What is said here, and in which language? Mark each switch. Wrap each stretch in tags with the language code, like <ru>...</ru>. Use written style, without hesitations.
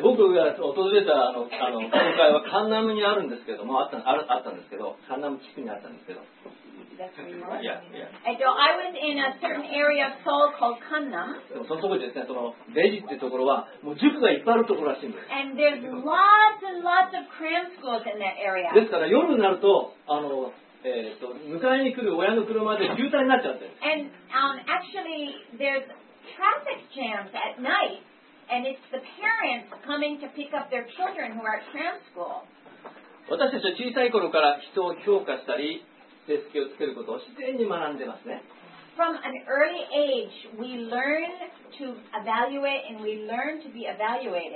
<ja>僕が訪れた今回はカンナムにあるんですけども、あったんですけど、カンナム地区にあったんですけど、</ja> <en>Yeah, yeah. So I was in a certain area of Seoul called Gangnam.</en> <ja>そのとこですね、そのレジってところはもう塾がいっぱいあるところらしいんです。</ja> <en>And there's lots and lots of cram schools in that area.</en> <ja>ですから夜になると迎えに来る親の車で渋滞になっちゃって。</ja> <en>And actually there's traffic jams at night, and it's the parents coming to pick up their children who are at cram school.</en> <ja>私たちは小さい頃から人を評価したり。成績をつけることを自然に学んでますね。</ja> <en>From an early age, we learn to evaluate and we learn to be evaluated.</en>